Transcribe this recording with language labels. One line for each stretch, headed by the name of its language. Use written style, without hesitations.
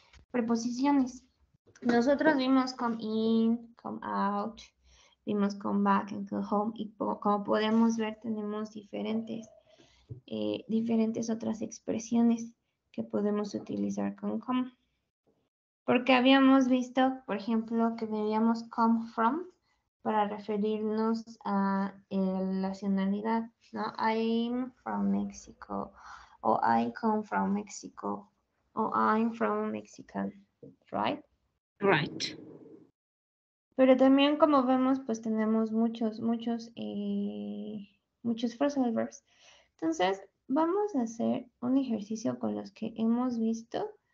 Spanish: Preposiciones. Nosotros vimos come in, come out, vimos come back and come home, y como podemos ver, tenemos diferentes otras expresiones que podemos utilizar con come. Porque habíamos visto, por ejemplo, que debíamos come from para referirnos a la nacionalidad, ¿no?
English: I'm from Mexico, o I come from Mexico. Oh, I'm from Mexico, right? Right.
Spanish: Pero también, como vemos, pues tenemos muchos phrasal verbs. Entonces, vamos a hacer un ejercicio con los que hemos visto.